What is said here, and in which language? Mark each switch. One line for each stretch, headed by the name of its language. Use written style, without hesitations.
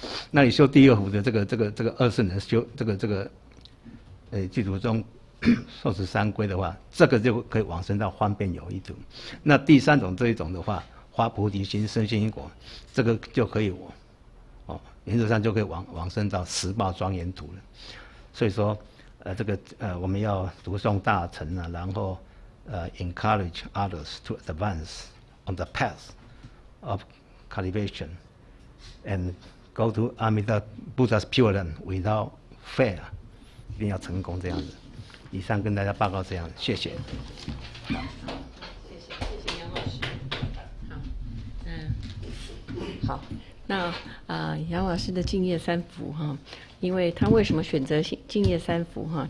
Chinese: 那你修第二壶的这个二圣人修这个具足中受持三规的话，这个就可以往生到方便有余土。那第三种这一种的话，发菩提心深信因果，这个就可以原则上就可以往生到十报庄严土了。所以说我们要读诵大乘啊，然后。
English: Encourage others to advance on the path of cultivation and go to Amida Buddha's pure land without fail.
Chinese: 一定要成功这样子。以上跟大家报告这样，谢谢。好，谢谢杨老师。好，那杨老师的敬业三福哈，因为他为什么选择敬业三福哈？